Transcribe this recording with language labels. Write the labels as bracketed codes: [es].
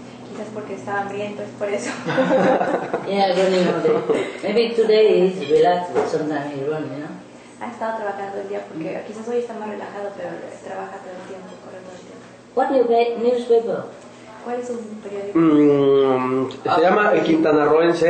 [es] Quizás porque está hambriento, es por eso. [en] Yeah, running all day. Maybe today he's relaxed, but sometimes he runs, you know? [es] Ha estado trabajando el día porque quizás hoy está más relajado, pero trabaja todo el tiempo, corre todo el tiempo. [en] What newspaper? [es] ¿Cuál es un periódico? Se llama El Quintanarroense.